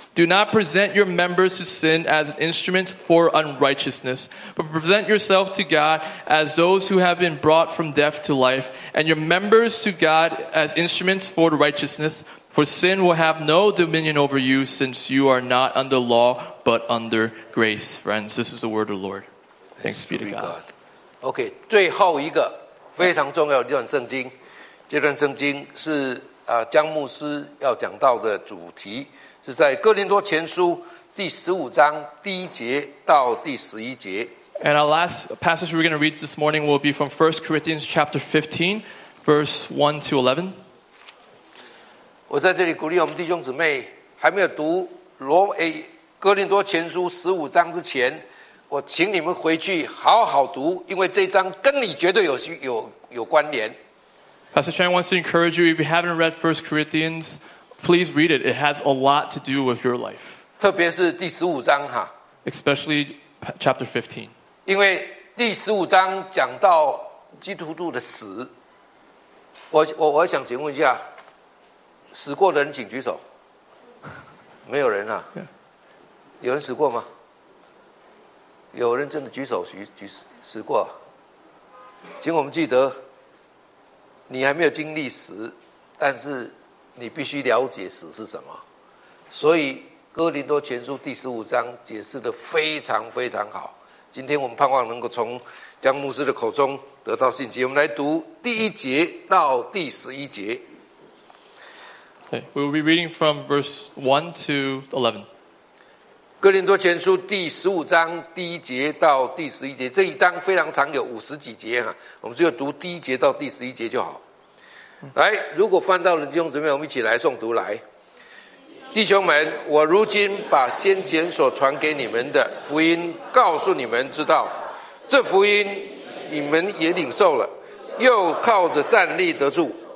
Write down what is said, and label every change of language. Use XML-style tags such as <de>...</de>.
<en>Do not present your members to sin as instruments for unrighteousness, but present yourself to God as those who have been brought from death to life, and your members to God as instruments for righteousness. For sin will have no dominion over you, since you are not under law, but under grace. Friends, this is the word of the Lord. Thanks be to God.</en> <zh>Okay, 最后一个非常重要的一段圣经，这段圣经是江牧师要讲到的主题，是在哥林多前书第十五章第一节到第十一节。</zh> <en>And our last passage we're going to read this morning will be from 1 Corinthians chapter 15, verse 1 to 11.</en> <zh>我在这里鼓励我们弟兄姊妹，还没有读哥林多前书十五章之前，我请你们回去好好读，因为这一章跟你绝对有关联。</zh> <en>Pastor Chan wants to encourage you, if you haven't read 1 Corinthians, please read it. It has a lot to do with your life.</en> <zh>特别是第十五章哈。</zh> <en>Especially chapter 15.</en> <zh>因为第十五章讲到基督徒的死。我想请问一下。死过的人请举手。没有人啊。有人死过吗？有人真的举手死过、啊。请我们记得你还没有经历死，但是你必须了解死是什么。所以哥林多前书第十五章解释得非常非常好。今天我们盼望能够从江牧师的口中得到信息。我们来读第一节到第十一节。</zh> <en>We will be reading from verse 1 to 11.</en> <zh>哥林多前书第十五章第一节到第十一节，这一章非常长，有五十几节啊。我们只有读第一节到第十一节就好。来，如果翻到了弟兄姊妹，我们一起来诵读来。弟兄们，我如今把先前所传给你们的福音告诉你们知道，这福音你们也领受了，又靠着站立得住。</zh>